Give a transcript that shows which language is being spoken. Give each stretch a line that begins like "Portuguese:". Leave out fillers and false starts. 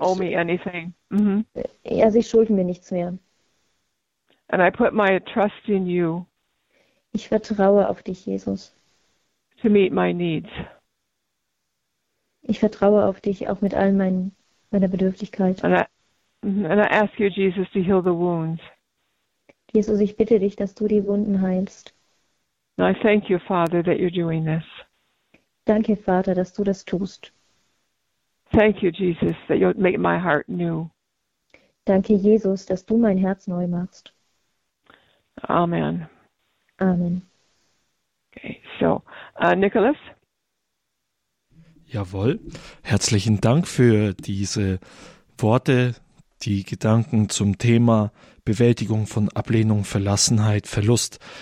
English: don't owe me anything.
German: Ja, sie schulden mir nichts mehr.
English: And I put my trust in you.
German: Ich vertraue auf dich, Jesus.
English: To meet my needs.
German: Ich vertraue auf dich, auch mit all meiner Bedürftigkeit.
English: And I ask you, Jesus, to heal the wounds.
German: Jesus, ich bitte dich, dass du die Wunden heilst.
English: And I thank you, Father, that you're doing this.
German: Danke, Vater, dass du das tust.
English: Thank you, Jesus, that you'll make my heart new.
German: Danke, Jesus, dass du mein Herz neu machst.
English: Amen.
German: Amen.
English: Okay, so, Nicholas?
German: Jawohl, herzlichen Dank für diese Worte, die Gedanken zum Thema Bewältigung von Ablehnung, Verlassenheit, Verlust.